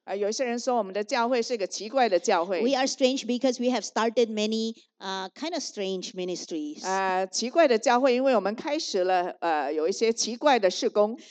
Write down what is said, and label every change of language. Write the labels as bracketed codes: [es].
[zh] 有些人说我们的教会是个奇怪的教会。 [en] We are strange because we have started many kind of strange ministries. [zh] 奇怪的教会，因为我们开始了有一些奇怪的事工。